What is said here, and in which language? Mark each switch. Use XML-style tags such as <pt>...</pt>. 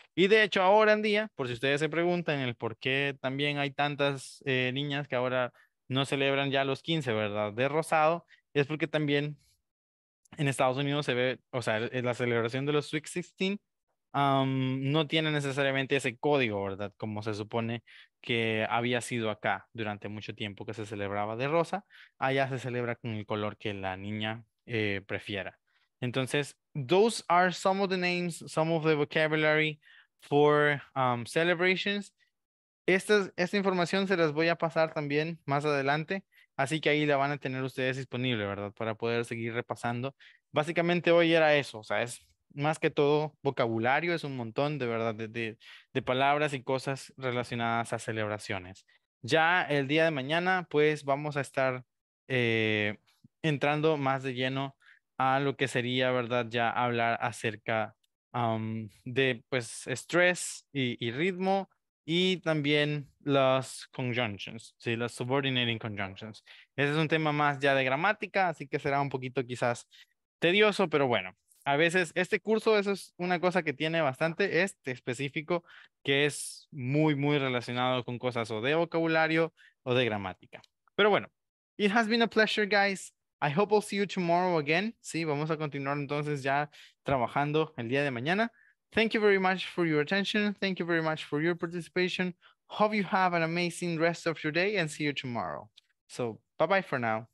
<es>Y de hecho ahora en día, por si ustedes se preguntan el por qué también hay tantas niñas que ahora no celebran ya los 15, ¿verdad?, de rosado, es porque también en Estados Unidos se ve, o sea, la celebración de los Sweet 16 no tiene necesariamente ese código, ¿verdad?, como se supone que había sido acá durante mucho tiempo que se celebraba de rosa, allá se celebra con el color que la niña prefiera.</es> <en>Entonces, those are some of the names, some of the vocabulary for celebrations.</en> <es>Esta información se las voy a pasar también más adelante, así que ahí la van a tener ustedes disponible, ¿verdad? Para poder seguir repasando. Básicamente hoy era eso, o sea, es más que todo vocabulario, es un montón de verdad de palabras y cosas relacionadas a celebraciones. Ya el día de mañana, pues vamos a estar entrando más de lleno a lo que sería, ¿verdad? Ya hablar acerca de pues estrés y ritmo y también las conjunctions, ¿sí? Las subordinating conjunctions. Ese es un tema más ya de gramática, así que será un poquito quizás tedioso, pero bueno. A veces este curso, eso es una cosa que tiene bastante, este específico, que es muy, muy relacionado con cosas o de vocabulario o de gramática. Pero bueno,</es> <en>it has been a pleasure, guys. I hope I'll see you tomorrow again.</en> <es>Sí, vamos a continuar entonces ya trabajando el día de mañana.</es> <en>Thank you very much for your attention. Thank you very much for your participation. Hope you have an amazing rest of your day and see you tomorrow. So, bye-bye for now.</en>